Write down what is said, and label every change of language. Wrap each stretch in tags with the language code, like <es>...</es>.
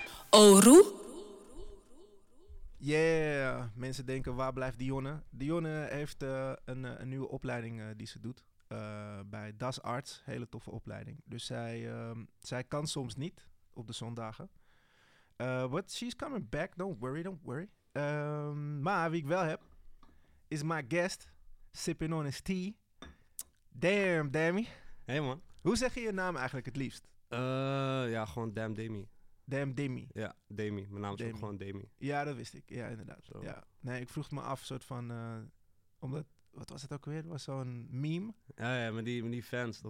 <nl>Oru? Yeah, mensen denken, waar blijft Dionne? Dionne heeft een nieuwe opleiding die ze doet. Bij Das Arts, hele toffe opleiding. Dus zij kan soms niet op de zondagen.</nl> <en>But she's coming back, don't worry.</en> <nl>Maar wie ik wel heb, is</nl> <en>my guest, sipping on his tea. Damn, Demi. Hey man.</en> <nl>Hoe zeg je je naam eigenlijk het liefst? Ja, gewoon Damn Demi. Damn Demi. Ja, Demi. Mijn naam is Demi. Ook gewoon Demi. Ja, dat wist ik. Ja, inderdaad. So. Ja. Nee, ik vroeg me af, soort van, omdat... Wat was het ook weer? Het was zo'n meme. Ja, ja, met die fans toch?</nl>